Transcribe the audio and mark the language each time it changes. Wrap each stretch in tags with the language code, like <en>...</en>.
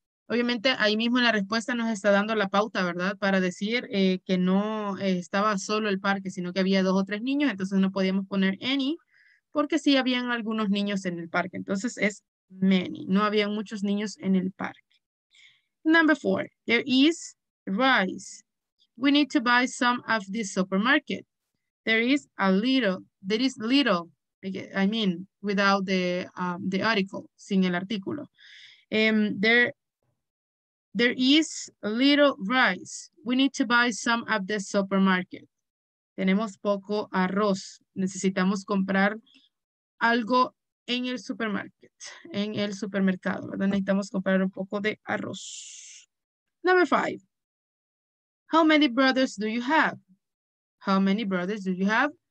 <es>Obviamente, ahí mismo la respuesta nos está dando la pauta, ¿verdad? Para decir que no estaba solo el parque, sino que había dos o tres niños, entonces no podíamos poner any, porque sí habían algunos niños en el parque. Entonces es many, no habían muchos niños en el parque.</es> <en>Number four, there is rice. We need to buy some at the supermarket. There is a little, there is little, I mean, without the the article,</en> <es>sin el artículo.</es> <en>There is a little rice. We need to buy some at the supermarket.</en> <es>Tenemos poco arroz. Necesitamos comprar algo en el supermarket, en el supermercado, ¿verdad? Necesitamos comprar un poco de arroz.</es> <en>Number five. How many brothers do you have? How many brothers do you have?</en>